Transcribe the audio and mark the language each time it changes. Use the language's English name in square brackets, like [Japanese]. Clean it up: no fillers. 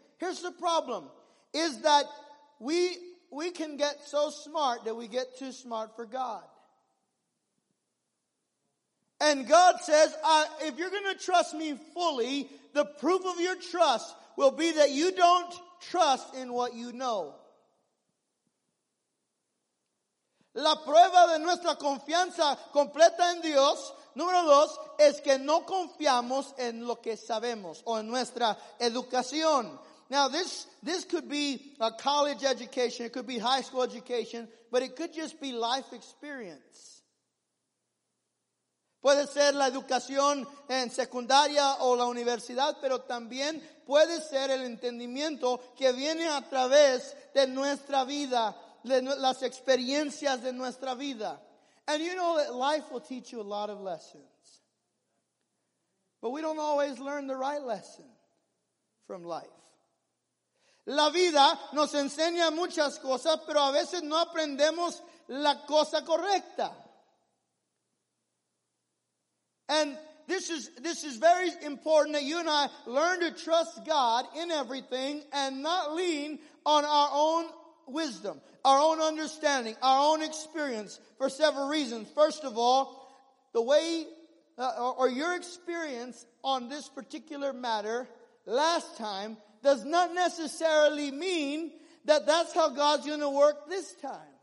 [English] Here's the problem, is that we can get so smart that we get too smart for God. And God says, if you're going to trust me fully, the proof of your trust will be that you don't trust in what you know. [Spanish] La prueba de nuestra confianza completa en Dios, número dos, es que no confiamos en lo que sabemos o en nuestra educación. [English] Now, this could be a college education, it could be high school education, but it could just be life experience. [Spanish] Puede ser la educación en secundaria o la universidad, pero también puede ser el entendimiento que viene a través de nuestra vida, de las experiencias de nuestra vida. [English] And you know that life will teach you a lot of lessons. But we don't always learn the right lesson from life. [Spanish] La vida nos enseña muchas cosas, pero a veces no aprendemos la cosa correcta. [English] And this is very important that you and I learn to trust God in everything and not lean on our own wisdom, our own understanding, our own experience for several reasons. First of all, the way or your experience on this particular matter last time does not necessarily mean that that's how God's going to work this time.